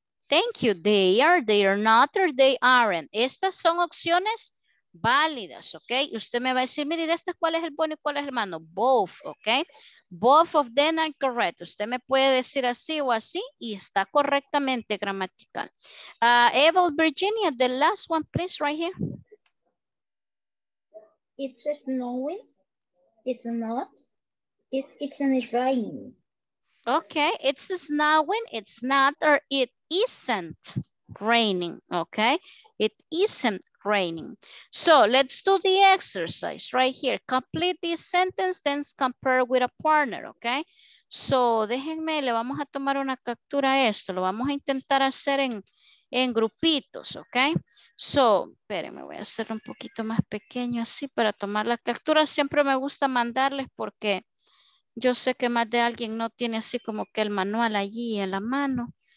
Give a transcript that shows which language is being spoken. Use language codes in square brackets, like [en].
[en] Thank you. They are not or they aren't. [es] Estas son opciones válidas, [en] ¿ok? [es] Usted me va a decir, mire, de estas, ¿cuál es el bueno y cuál es el malo? Both, ¿ok? [en] Both of them are correct. [es] Usted me puede decir así o así y está correctamente gramatical. [en] Eva Virginia, the last one, please, right here. It's snowing. It's not. It's raining. Okay, it's snowing. It's not or it isn't raining, ¿ok? It isn't raining. So let's do the exercise right here. Complete this sentence, then compare with a partner, okay? [es] So déjenme, le vamos a tomar una captura a esto. Lo vamos a intentar hacer en grupitos, okay? So, espérenme, voy a hacerlo un poquito más pequeño así para tomar la captura. Siempre me gusta mandarles porque yo sé que más de alguien no tiene así como que el manual allí en la mano.